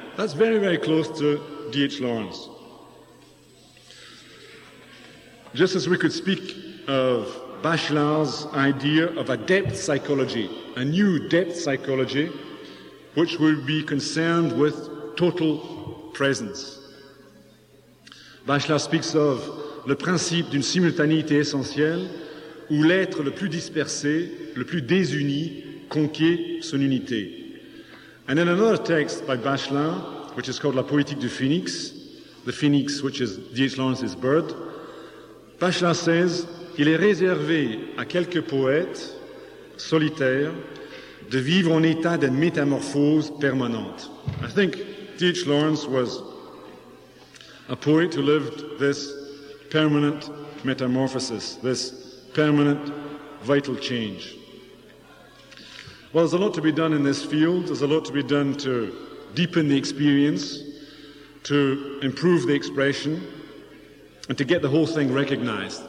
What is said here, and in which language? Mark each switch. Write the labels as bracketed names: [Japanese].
[English] That's very, very close to D.H. Lawrence. Just as we could speak of Bachelard's idea of a depth psychology, a new depth psychology, which would be concerned with total presence. Bachelard speaks of [French] le principe d'une simultanéité essentielle où l'être le plus dispersé, le plus désuni, conquiert son unité. [English] And in another text by Bachelard, which is called La Poétique du Phoenix, the Phoenix, which is D.H. Lawrence's bird, Bachelard says, [French] il est réservé à quelques poètes solitaires de vivre en état de métamorphose permanente. [English] I think D.H. Lawrence was a poet who lived this permanent metamorphosis, this permanent vital change. Well, there's a lot to be done in this field. There's a lot to be done to deepen the experience, to improve the expression, and to get the whole thing recognized.